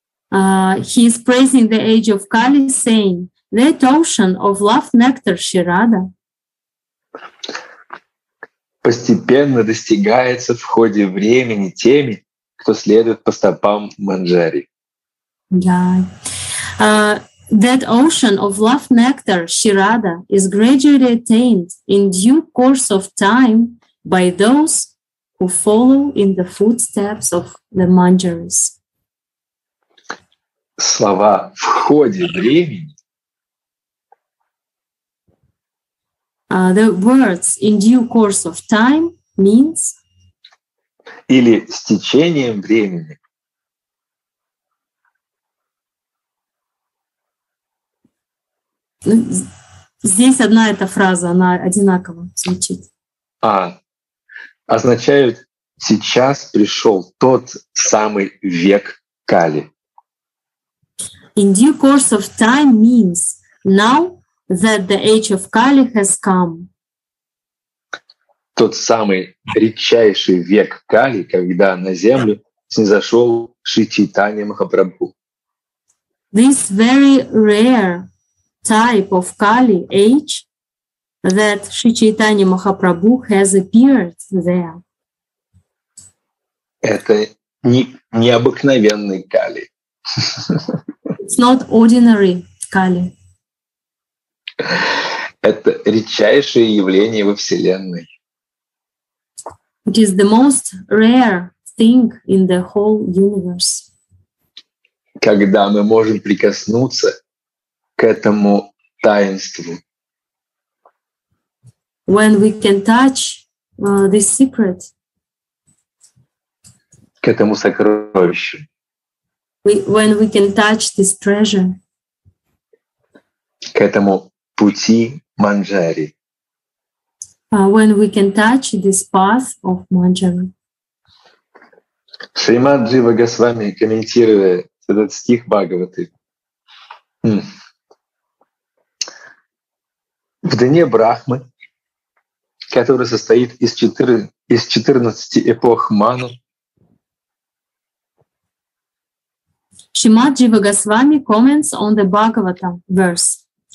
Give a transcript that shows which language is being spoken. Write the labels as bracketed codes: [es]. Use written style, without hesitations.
[en] He is praising the age of Kali, saying, that ocean of love nectar Shri Radha. [ru] Постепенно достигается в ходе времени теми, кто следует по стопам Манджари. [en] That ocean of love nectar Shri Radha is gradually attained in due course of time by those who follow in the footsteps of the Manjaris. [ru] Слова «в ходе времени» [en] The words «in due course of time» means [ru] или «с течением времени». Здесь одна эта фраза, она одинаково звучит. А, означают «сейчас пришел тот самый век Кали». [en] In due course of time means now that the age of Kali has come. [ru] Тот самый редчайший век Кали, когда на землю снизошел Шри Чайтанья Махапрабху. [en] This very rare type of Kali age that Шри Чайтанья Махапрабху has appeared there. [ru] Это необыкновенный Кали. [en] It's not ordinary Kali. [ru] Это редчайшее явление во Вселенной. [en] It is the most rare thing in the whole universe. [ru] Когда мы можем прикоснуться к этому таинству. [en] When we can touch this secret. [ru] К этому сокровищу. [en] When we can touch this treasure. [ru] К этому пути Манджари. [en] When we can touch this path of Manjari. [ru] Шримад Джива Госвами, комментируя этот стих Бхагаваты. В дне Брахмы, который состоит из 14 эпох Ману, [en] Shrimad Jiva Goswami comments on the Bhagavata verse.